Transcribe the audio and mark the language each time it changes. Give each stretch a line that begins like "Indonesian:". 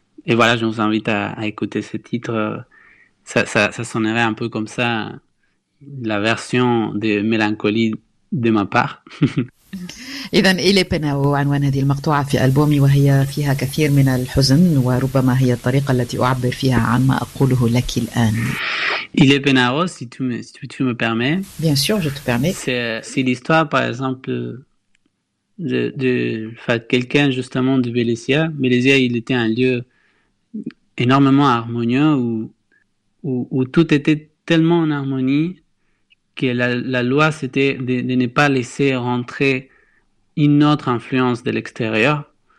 French: Et voilà, je vous invite à écouter ce titre. Ça sonnerait un peu comme ça, la version de mélancolie de ma part.
Arabic: إذن إلي بيناو عنوان هذه المقطوعة في ألبومي، وهي فيها كثير من الحزن، وربما هي الطريقة التي أعبر فيها عن ما أقوله لك الآن.
French: إلي بيناو، si tu me permets. Bien sûr, je te permets. C'est l'histoire, par exemple, de quelqu'un justement de Bélésia. Bélésia, il était un lieu énormément harmonieux où tout était tellement en harmonie que la loi, c'était de ne pas laisser rentrer une autre influence de l'extérieur.